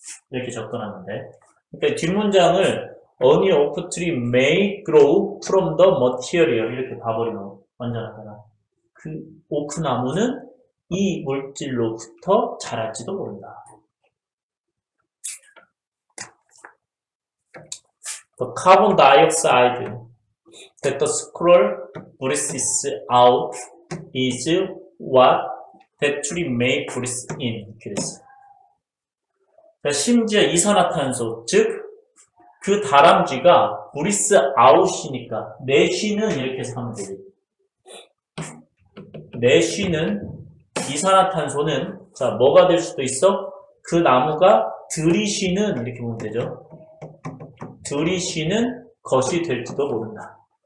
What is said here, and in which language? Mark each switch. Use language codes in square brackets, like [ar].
[ko] 이렇게 접근하는데. 그러니까 뒷문장을 [en] A new oak tree may grow from the material. [ko] 이렇게 봐버리면 완전하잖아. 그 오크 나무는 이 물질로부터 자랄지도 모른다. [en] The carbon dioxide that the squirrel breathes out is what the tree may breathe in. [ko] 그랬어. 심지어 이산화탄소, 즉, 그 다람쥐가 브리스 아웃이니까, 내쉬는, 이렇게 해서 하면 되지. 내쉬는, 이산화탄소는, 자, 뭐가 될 수도 있어? 그 나무가 들이쉬는, 이렇게 보면 되죠. 들이쉬는 것이 될지도 모른다.